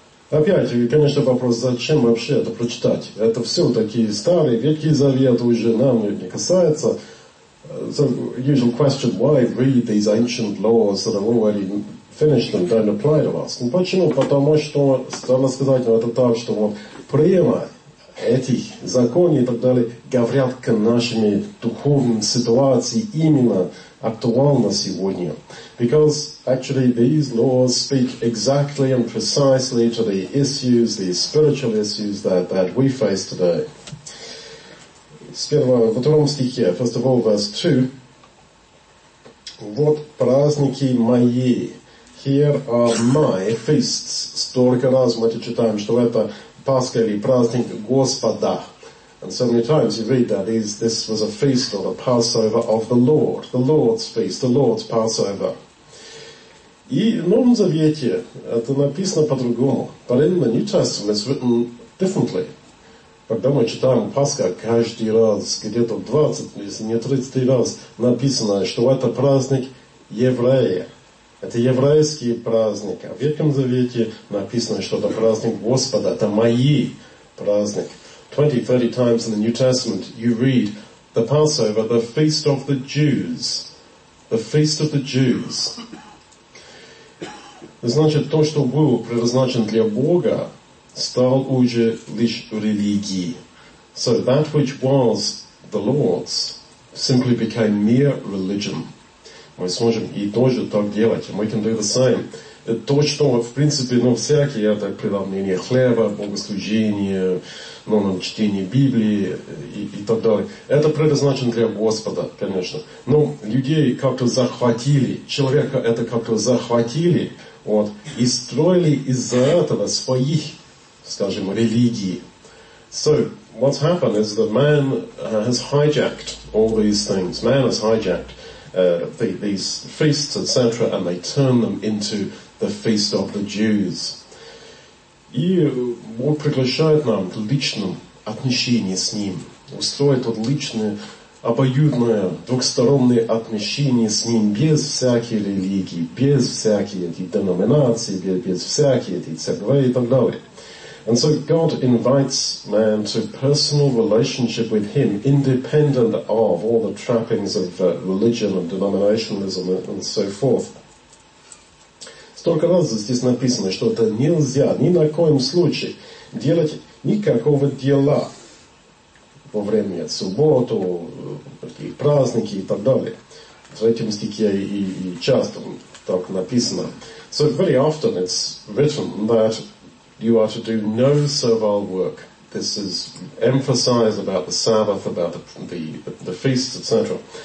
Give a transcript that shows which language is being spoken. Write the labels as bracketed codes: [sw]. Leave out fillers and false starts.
[ru] Опять, конечно, вопрос, зачем вообще это прочитать? Это все такие старые, Ветхий Завет уже нам не касается. [en] So, usual question, why read these ancient laws that are already finished and don't apply to us? [ru] Ну, почему? Потому что, странно сказать, это так, что вот прямо этих законов и так далее говорят к нашими духовным ситуациям именно актуально сегодня. [en] Because actually these laws speak exactly and precisely to the issues, the spiritual issues that we face today. [ru] С первого, во втором стихе, [en] first of all, verse 2. [ru] Вот праздники мои. [en] Here are my feasts. [ru] Столько раз мы это читаем, что это Пасха или праздник Господа. [en] And so many times you read that this was a feast or a Passover of the Lord. The Lord's feast, the Lord's Passover. [ru] И в Новом Завете это написано по-другому. [en] But in the New Testament it's written differently. [ru] Когда мы читаем Пасха, каждый раз, где-то 20, если не 30 раз, написано, что это праздник еврея. Это еврейский праздник. А в Ветхом Завете написано, что это праздник Господа. Это мой праздник. [en] 20-30 times in the New Testament you read the Passover, the feast of the Jews. The feast of the Jews. [ru] Значит, то, что было предназначено для Бога, стал уже лишь религией. [en] So that which was the Lord's simply became mere religion. [ru] Мы сможем и тоже так делать. [en] We can do the same. [ru] То, что в принципе, ну, всякие это преломление хлеба, богослужение, ну, чтение Библии и так далее. Это предназначено для Господа, конечно. Но людей как-то захватили, человека это как-то захватили, вот, и строили из-за этого своих, скажем, религии. [en] So, what's happened is that man has hijacked all these things. Man has hijacked these feasts, etc., and they turn them into the feast of the Jews. [ru] И Бог приглашает нам к личному отношению с Ним. Устроит вот личное, обоюдное, двухстороннее отношение с Ним без всякой религии, без всякой деноминации, без всякой церкви и так далее. [en] And so God invites man to personal relationship with Him, independent of all the trappings of religion and denominationalism and so forth. [ru] Столько раз здесь написано, что это нельзя ни на коем случае делать никакого дела во время субботы, какие праздники и так далее. В третьем стихе и часто так написано. [en] So very often it's written that you are to do no servile work. This is emphasized about the Sabbath, about the feasts, etc.